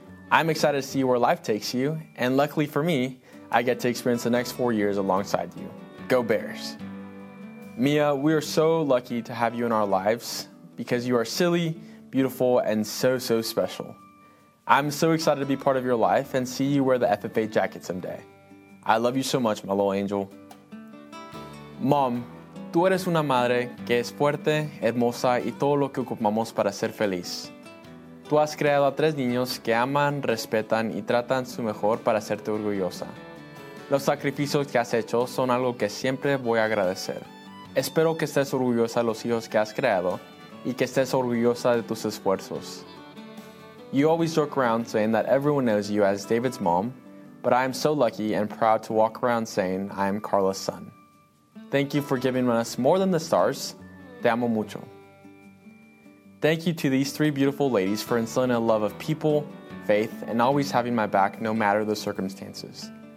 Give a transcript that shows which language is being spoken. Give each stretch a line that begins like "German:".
English: I'm excited to see where life takes you, and luckily for me, I get to experience the next 4 years alongside you. Go Bears! Mia, we are so lucky to have you in our lives because you are silly, beautiful, and so, so special. I'm so excited to be part of your life and see you wear the FFA jacket someday. I love you so much, my little angel.
Spanish: Mom, tú eres una madre que es fuerte, hermosa, y todo lo que ocupamos para ser feliz. Tú has creado a tres niños que aman, respetan y tratan su mejor para hacerte orgullosa. Los sacrificios que has hecho son algo que siempre voy a agradecer. Espero que estés orgullosa de los hijos que has creado y que estés orgullosa de tus esfuerzos.
English: You always joke around saying that everyone knows you as David's mom, but I am so lucky and proud to walk around saying I am Carla's son. Thank you for giving us more than the stars.
Spanish: Te amo mucho.
English: Thank you to these three beautiful ladies for instilling a love of people, faith, and always having my back no matter the circumstances.